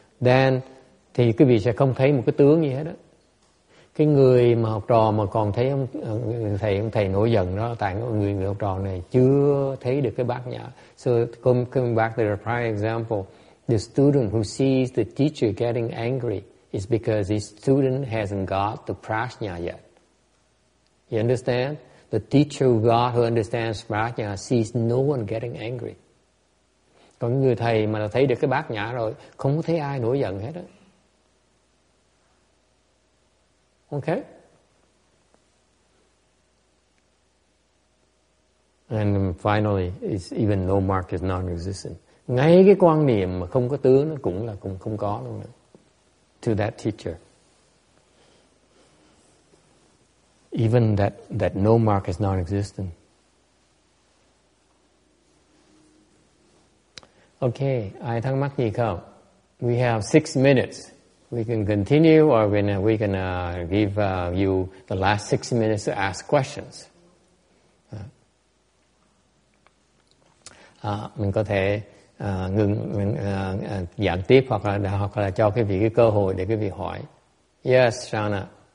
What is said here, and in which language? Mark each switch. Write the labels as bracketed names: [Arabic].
[Vietnamese] Then, thì quý vị sẽ không thấy một cái tướng gì hết đó. Cái người mà học trò mà còn thấy ông thầy nổi giận đó, tại người học trò này chưa thấy được cái bát nhã. [English] So, coming back to the prior example, the student who sees the teacher getting angry is because his student hasn't got the prajna yet. You understand? The teacher who got, who understands prajna, sees no one getting angry. [Vietnamese] Còn người thầy mà đã thấy được cái bát nhã rồi, không có thấy ai nổi giận hết á. [English] Ok? And finally, it's even no mark is non-existent. [Vietnamese] Ngay cái quan niệm mà không có tướng nó cũng là cũng không có luôn nữa. [English] To that teacher. Even that no mark is non-existent. [Vietnamese] Okay, ai thắc mắc gì không? [English] We have 6 minutes. We can continue or we can give you the last 6 minutes to ask questions. [Vietnamese] Mình có thể ngừng giảng tiếp hoặc là cho quý vị cái cơ hội để quý vị hỏi. Yes, Shana.